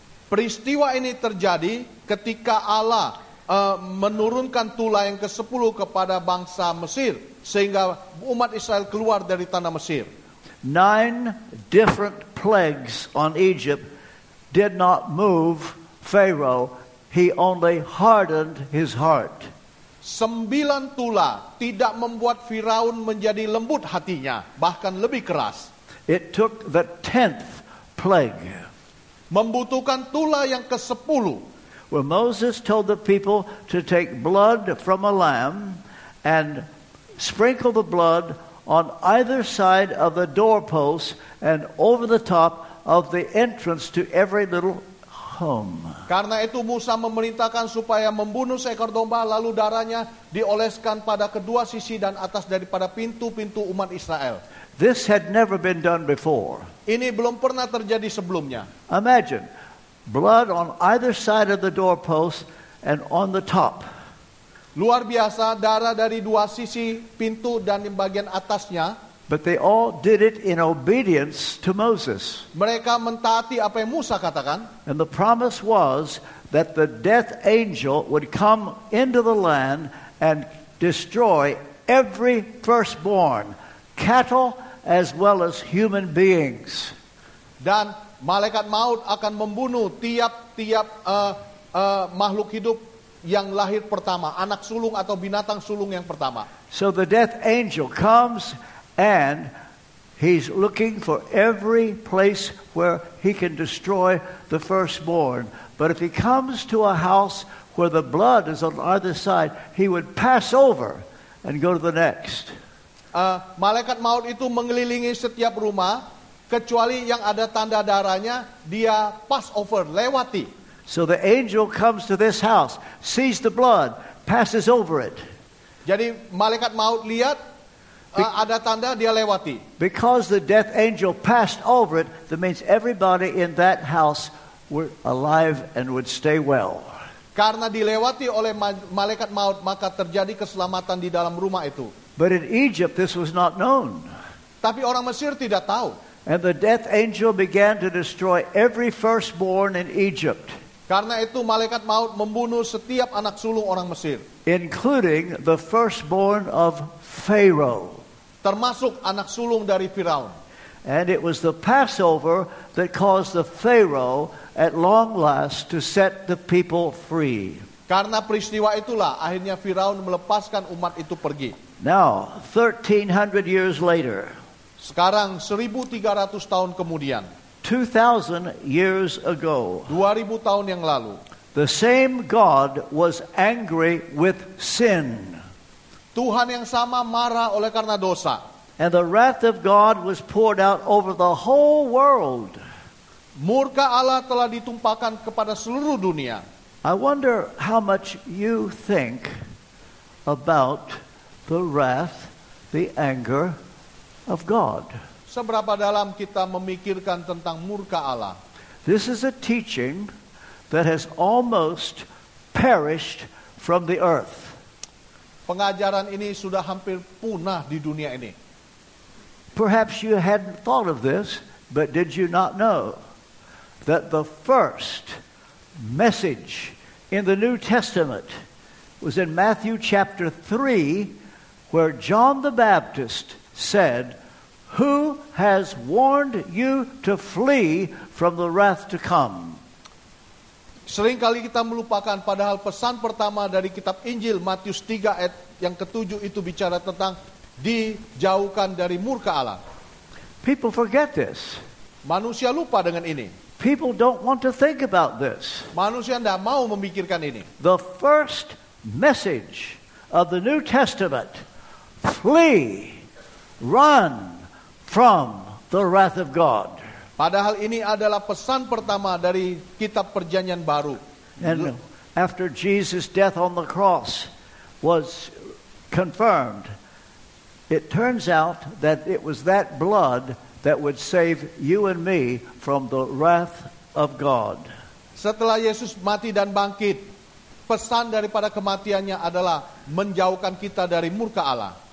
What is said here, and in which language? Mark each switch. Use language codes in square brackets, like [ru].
[id] Peristiwa ini terjadi ketika Allah menurunkan tulah yang ke-10 kepada bangsa Mesir sehingga umat Israel keluar dari tanah Mesir. [en] 9 different plagues on Egypt did not move Pharaoh. He only hardened his heart. [id] 9 tulah tidak membuat Firaun menjadi lembut hatinya, bahkan lebih keras. [en] It took the 10th plague. [id] Membutuhkan tulah yang ke-10. [en] where Moses told the people to take blood from a lamb and sprinkle the blood on either side of the doorposts and over the top of the entrance to every little home. [id] Karena itu Musa memerintahkan supaya membunuh seekor domba lalu darahnya dioleskan pada kedua sisi dan atas daripada pintu-pintu umat Israel. [en] This had never been done before. [id] Ini belum pernah terjadi sebelumnya. [en] Imagine blood on either side of the doorpost and on the top. [id] Luar biasa, darah dari dua sisi pintu dan di bagian atasnya. [en] But they all did it in obedience to Moses. [id] Mereka mentaati apa yang Musa katakan. [en] And the promise was that the death angel would come into the land and destroy every firstborn, cattle as well as human beings. [id] Dan malaikat maut akan membunuh tiap-tiap makhluk hidup yang lahir pertama, anak sulung atau binatang sulung yang pertama. [en] So the death angel comes and he's looking for every place where he can destroy the firstborn. But if he comes to a house where the blood is on either side, he would pass over and go to the next. [id] Malaikat maut itu mengelilingi setiap rumah, kecuali yang ada tanda darahnya, dia [en] pass over, [id] lewati. [en] So the angel comes to this house, sees the blood, passes over it. [id] Jadi malaikat maut lihat ada tanda, dia lewati. [en] Because the death angel passed over it, that means everybody in that house were alive and would stay well. [id] Karena dilewati oleh malaikat maut, maka terjadi keselamatan di dalam rumah itu. [en] But in Egypt, this was not known. [id] Tapi orang Mesir tidak tahu. [en] And the death angel began to destroy every firstborn in Egypt. [id] Karena itu malaikat maut membunuh setiap anak sulung orang Mesir. [en] Including the firstborn of Pharaoh. [id] Termasuk anak sulung dari Firaun. [en] And it was the Passover that caused the Pharaoh at long last to set the people free. [id] Karena peristiwa itulah akhirnya Firaun melepaskan umat itu pergi. [en] Now, 1300 years later. [id] Sekarang 1300 tahun kemudian. [en] 2000 years ago. [id] 2000 tahun yang lalu. [en] The same God was angry with sin. [id] Tuhan yang sama marah oleh karena dosa. [en] And the wrath of God was poured out over the whole world. [id] Murka Allah telah ditumpahkan kepada seluruh dunia. [en] I wonder how much you think about the wrath, the anger of God. [id] Seberapa dalam kita memikirkan tentang murka Allah? [en] This is a teaching that has almost perished from the earth. [id] Pengajaran ini sudah hampir punah di dunia ini. [en] Perhaps you hadn't thought of this, but did you not know that the first message in the New Testament was in Matthew chapter 3, where John the Baptist said, "Who has warned you to flee from the wrath to come?" [id] Seringkali kita melupakan padahal pesan pertama dari kitab Injil Matius 3 ayat yang ketujuh itu bicara tentang dijauhkan dari murka Allah. [en] People forget this. [id] Manusia lupa dengan ini. [en] People don't want to think about this. [id] Manusia tidak mau memikirkan ini. [en] The first message of the New Testament, flee, run from the wrath of God. [id] Padahal ini adalah pesan pertama dari kitab perjanjian baru. [en] And after Jesus' death on the cross was confirmed, it turns out that it was that blood that would save you and me from the wrath of God. [id] Setelah Yesus mati dan bangkit, pesan daripada kematiannya adalah menjauhkan kita dari murka Allah.